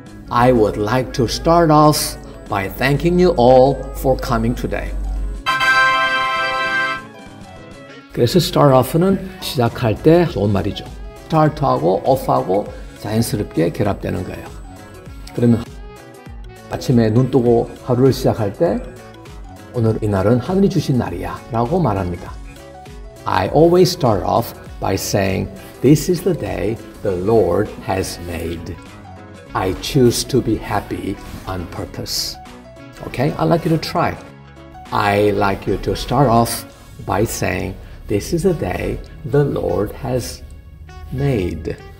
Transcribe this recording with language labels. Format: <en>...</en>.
<en>I would like to start off by thanking you all for coming today.</en> <ko>그래서 start off는 시작할 때 좋은 말이죠. start하고 off하고 자연스럽게 결합되는 거예요. 그러면 아침에 눈 뜨고 하루를 시작할 때 오늘 이날은 하늘이 주신 날이야 라고 말합니다.</ko> <en>I always start off by saying this is the day the Lord has made. I choose to be happy on purpose. Okay, I'd like you to try. I like you to start off by saying this is the day the Lord has made.</en>